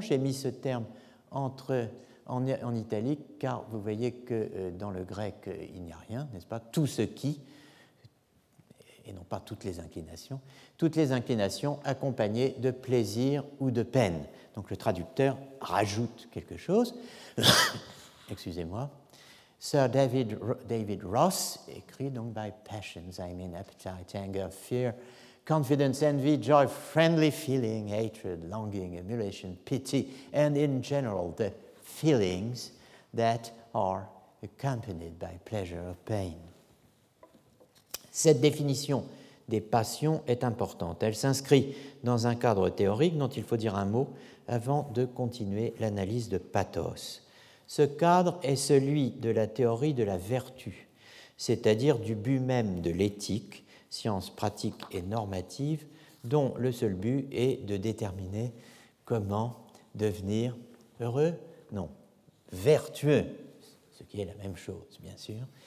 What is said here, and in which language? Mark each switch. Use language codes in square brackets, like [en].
[fr] J'ai mis ce terme en italique car vous voyez que dans le grec il n'y a rien, n'est-ce pas ? Tout ce qui, et non pas toutes les inclinations accompagnées de plaisir ou de peine. Donc le traducteur rajoute quelque chose. Excusez-moi. [en] Sir David Ross [fr] écrit donc [en] by passions, I mean appetite, anger, fear, confidence, envy, joy, friendly feeling, hatred, longing, emulation, pity, and in general the feelings that are accompanied by pleasure or pain. [fr] Cette définition des passions est importante. Elle s'inscrit dans un cadre théorique dont il faut dire un mot avant de continuer l'analyse de pathos. Ce cadre est celui de la théorie de la vertu, c'est-à-dire du but même de l'éthique, science pratique et normative, dont le seul but est de déterminer comment devenir heureux, non, vertueux, ce qui est la même chose, bien sûr.